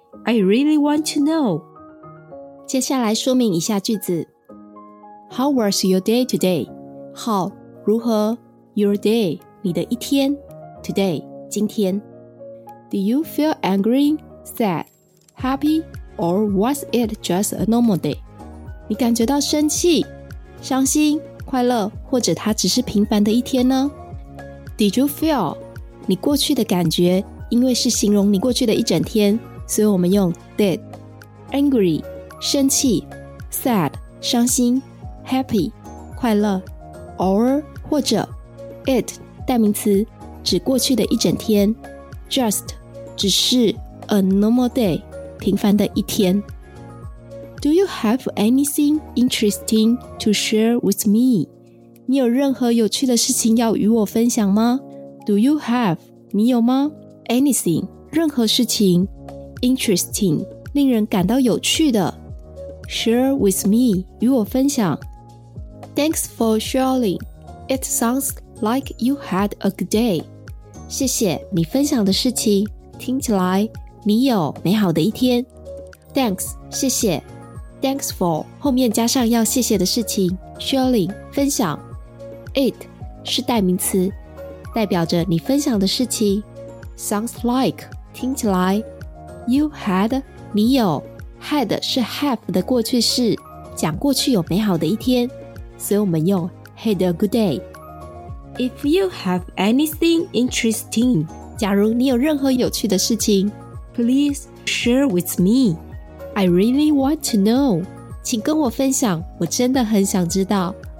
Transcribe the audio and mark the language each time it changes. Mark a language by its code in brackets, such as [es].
[en] I really want to know. [zh] 接下来说明一下句子。 [en] How was your day today? How, [zh] 如何 [en] Your day, [zh] 你的一天 [en] Today, [zh] 今天 [en] Do you feel angry, sad, happy, or was it just a normal day? [zh] 你感觉到生气、伤心、快乐，或者它只是平凡的一天呢？ [en] Did you feel? [zh] 你过去的感觉，因为是形容你过去的一整天，所以我们用 [en] did Angry, 生气 Sad, 伤心Happy, 快乐 or 或者 it, [zh] 代名词指过去的一整天 [en] just, 只是 a normal day, [zh] 平凡的一天 [en] Do you have anything interesting to share with me? [zh] 你有任何有趣的事情要与我分享吗? [en] Do you have, [zh] 你有吗? [en] Anything, [zh] 任何事情 [en] interesting, [zh] 令人感到有趣的 [en] share with me, [zh] 与我分享 [en] Thanks for sharing. It sounds like you had a good day. [zh] 谢谢你分享的事情，听起来你有美好的一天。 Thanks, 谢谢。 [en] Thanks for, [zh] 后面加上要谢谢的事情。 [en] Sharing, [zh] 分享。 It, 是代名词，代表着你分享的事情。 [en] Sounds like, [zh] 听起来。 [en] You had, [zh] 你有。 Had 是 have 的过去式，讲过去有美好的一天。所以我们用 [en] had a good day. If you have anything interesting, [zh] 假如你有任何有趣的事情 [en] please share with me. I really want to know. [zh] 请跟我分享，我真的很想知道。